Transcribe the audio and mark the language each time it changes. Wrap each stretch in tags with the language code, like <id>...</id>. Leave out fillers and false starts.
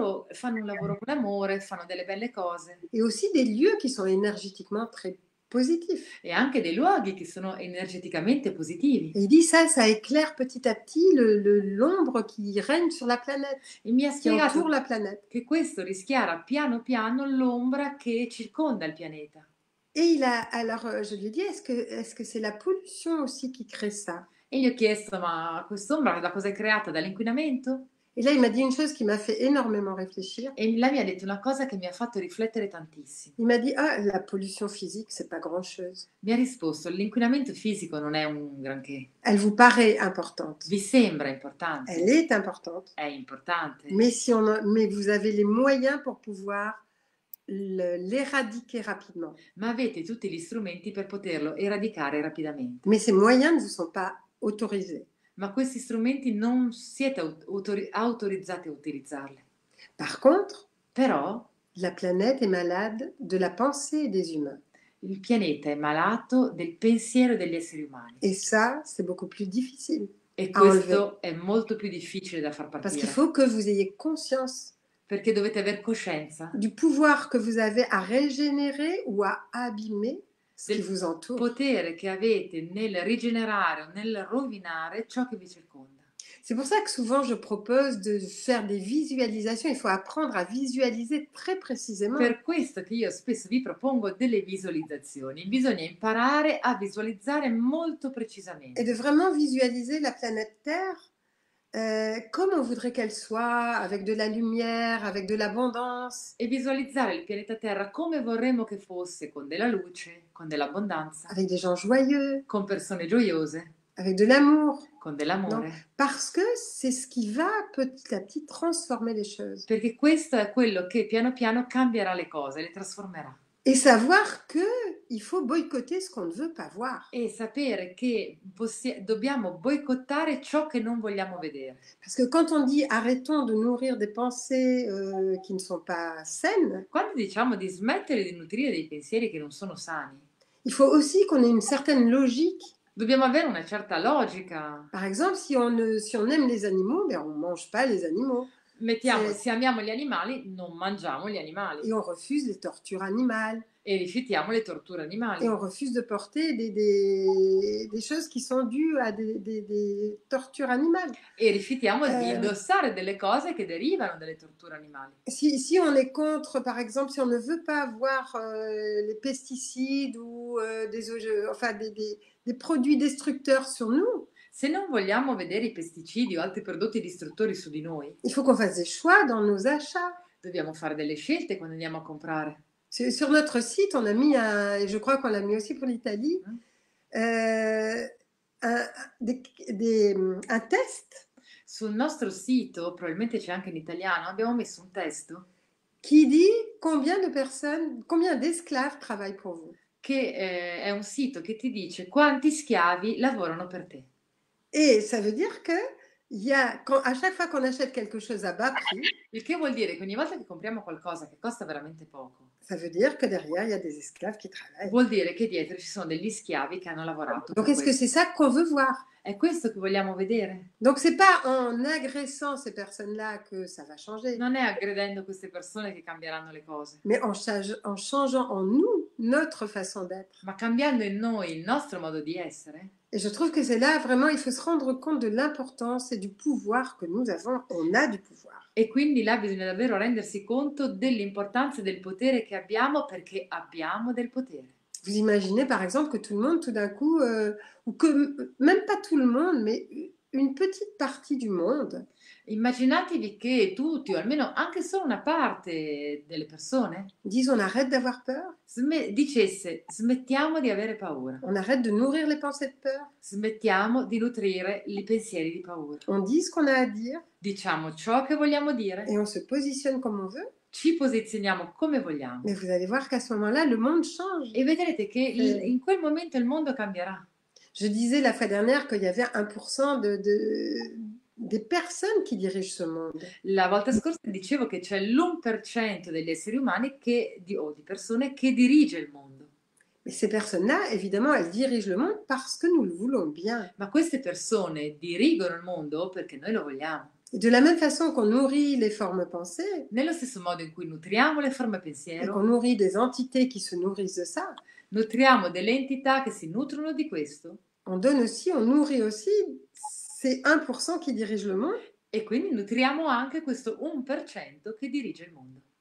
<it>Fanno un lavoro con amore, fanno delle belle cose.</it> <fr>Et aussi des lieux qui sont énergétiquement très positif.</fr> <it>E anche dei luoghi che sono energeticamente positivi.</it> <fr>Il dit ça éclaire petit à petit l'ombre qui règne sur la planète.</fr> <it>E mi ha spiegato</it> <fr>la planète.</fr> <it>Che questo rischiara piano piano l'ombra che circonda il pianeta.</it> <fr>Et il a alors je lui dis est-ce que c'est la pollution aussi qui crée ça?</fr> <it>E gli ho chiesto ma quest'ombra da cosa è creata dall'inquinamento?</it> <fr>Et là, il m'a dit une chose qui m'a fait énormément réfléchir. Et là,</fr> <it>mi ha detto una cosa che mi ha fatto riflettere tantissimo.</it> <fr>Il m'a dit, ah, la pollution physique, c'est pas grand-chose.</fr> <it>Mi ha risposto, l'inquinamento fisico non è un granché.</it> <fr>Elle vous paraît importante.</fr> <it>Vi sembra importante.</it> <fr>Elle est importante.</fr> <it>È importante.</it> <fr>Mais si on a, mais vous avez les moyens pour pouvoir l'éradiquer rapidement.</fr> <it>Ma avete tutti gli strumenti per poterlo eradicare rapidamente.</it> <fr>Mais ces moyens ne vous sont pas autorisés.</fr> <it>Ma questi strumenti non siete autorizzati a utilizzarli.</it> <fr>Par contre,</fr> <it>però,</it> <fr>la planète est malade de la pensée des humains.</fr> <it>Il pianeta è malato del pensiero degli esseri umani.</it> <fr>Et ça, c'est beaucoup plus difficile.</fr> <it>E questo è molto più difficile da far partire.</it> <fr>Parce qu'il faut que vous ayez conscience.</fr> <it>Perché dovete avere coscienza.</it> <fr>Du pouvoir que vous avez à régénérer ou à abîmer.</fr> <it>Del</it> <fr>qui vous</fr> <it>potere che avete nel rigenerare o nel rovinare ciò che vi circonda.</it> <fr>C'est pour ça que souvent je propose de faire des visualisations, il faut apprendre à visualiser très précisément.</fr> <it>Per questo che io spesso vi propongo delle visualizzazioni, bisogna imparare a visualizzare molto precisamente.</it> <fr>Et de vraiment visualiser la planète Terre comme on voudrait qu'elle soit, avec de la lumière, avec de l'abondance.</fr> <it>E visualizzare il pianeta Terra come vorremmo che fosse, con della luce, con dell'abbondanza.</it> <fr>Avec des gens joyeux.</fr> <it>Con persone gioiose.</it> <fr>Avec de l'amour.</fr> <it>Con dell'amore. Non,</it> <fr>parce que c'est ce qui va petit à petit transformer les choses.</fr> <it>Perché questo è quello che piano piano cambierà le cose, le trasformerà.</it> <fr>Et savoir que il faut boycotter ce qu'on ne veut pas voir.</fr> <it>E sapere che dobbiamo boicottare ciò che non vogliamo vedere.</it> <fr>Parce que quand on dit arrêtons de nourrir des pensées qui ne sont pas saines.</fr> <it>Quando diciamo di smettere di nutrire dei pensieri che non sono sani.</it> <fr>Il faut aussi qu'on ait une certaine logique.</fr> <it>Dobbiamo avere una certa logica.</it> <fr>Par exemple, si on aime les animaux, ben on mange pas les animaux.</fr> <it>Mettiamo, se amiamo gli animali, non mangiamo gli animali.</it> <fr>Et on refuse les tortures animales.</fr> <it>E rifiutiamo le torture animali.</it> <fr>Et on refuse de porter des choses qui sont dues à des tortures animales.</fr> <it>E rifiutiamo di indossare delle cose che derivano dalle torture animali.</it> <fr>Si on est contre, par exemple, si on ne veut pas avoir les pesticides ou des produits destructeurs sur nous.</fr> <it>Se non vogliamo vedere i pesticidi o altri prodotti distruttori su di noi,</it> <fr>il faut qu'on fasse des choix dans nos achats.</fr> <it>Dobbiamo fare delle scelte quando andiamo a comprare.</it> <fr>Sur notre site, on a mis un, et je crois qu'on l'a mis aussi pour l'Italie, un test.</fr> <it>Sul nostro sito, probabilmente c'è anche in italiano, abbiamo messo un testo.</it> <fr>Qui dit combien de personnes, combien d'esclaves travaillent pour vous.</fr> <it>Che è un sito che ti dice quanti schiavi lavorano per te.</it> <fr>Et ça veut dire que à chaque fois qu'on achète quelque chose à bas prix,</fr> <it>il che vuol dire che ogni volta che compriamo qualcosa che costa veramente poco,</it> <fr>ça veut dire que derrière il y a des esclaves qui travaillent.</fr> <it>Vuol dire che dietro ci sono degli schiavi che hanno lavorato.</it> <fr>Donc est-ce que c'est ça qu'on veut voir?</fr> <it>È questo che vogliamo vedere.</it> <fr>Donc c'est pas en agressant ces personnes-là que ça va changer.</fr> <it>Non è aggredendo queste persone che cambieranno le cose.</it> <fr>Mais en changeant en nous notre façon d'être.</fr> <it>Ma cambiando in noi il nostro modo di essere.</it> <fr>Et je trouve que c'est là vraiment il faut se rendre compte de l'importance et du pouvoir que nous avons. On a du pouvoir.</fr> <it>E quindi là bisogna davvero rendersi conto dell'importanza del potere che abbiamo perché abbiamo del potere.</it> <fr>Vous imaginez par exemple que tout le monde tout d'un coup ou que même pas tout le monde mais une petite partie du monde.</fr> <it>Immaginatevi che tutti o almeno anche solo una parte delle persone</it> <fr>disent on arrête d'avoir peur.</fr> <it>Dicesse smettiamo di avere paura.</it> <fr>On arrête de nourrir les pensées de peur.</fr> <it>Smettiamo di nutrire i pensieri di paura.</it> <fr>On dit ce qu'on a à dire.</fr> <it>Diciamo ciò che vogliamo dire.</it> <fr>Et on se positionne comme on veut.</fr> <it>Ci posizioniamo come vogliamo.</it> <fr>Mais vous allez voir qu'à ce moment-là le monde change.</fr> <it>E vedrete che in quel momento il mondo cambierà.</it> <fr>Je disais la fois dernière qu'il y avait 1% des personnes qui dirigent ce monde.</fr> <it>La volta scorsa dicevo che c'è l'1% degli esseri umani di persone che dirige il mondo.</it> <fr>Mais ces personnes-là, évidemment, elles dirigent le monde parce que nous le voulons bien.</fr> <it>Ma queste persone dirigono il mondo perché noi lo vogliamo.</it> <fr>Et de la même façon qu'on nourrit les formes pensées.</fr> <it>Nello stesso modo in cui nutriamo le forme pensiero.</it> <fr>Et qu'on nourrit des entités qui se nourrissent de ça.</fr> <it>Nutriamo delle entità che si nutrono di questo.</it> <fr>On donne aussi, on nourrit aussi ces 1% qui dirige le monde.</fr> <it>E quindi nutriamo anche questo 1% che dirige il mondo.</it>